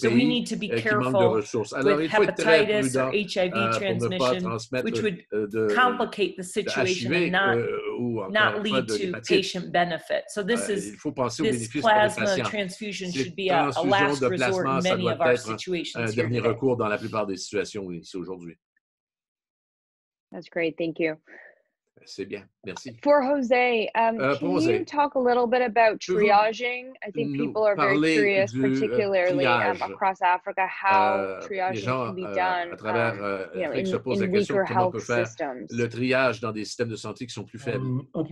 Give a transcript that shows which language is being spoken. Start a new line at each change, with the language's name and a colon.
English: So we need to be careful with hepatitis or HIV transmission, which would complicate the situation and not lead to patient benefit. So this is plasma transfusion should be a last resort in many of our situations
French: here. Dernier recours dans la plupart des situations aujourd'hui.
English: That's great. Thank you.
French: C'est bien. Merci.
English: For Jose, can you talk a little bit about triaging? I think people are very curious, particularly across Africa, how triaging can be done in weaker health systems.
French: Le triage dans des systèmes de santé qui sont plus faibles.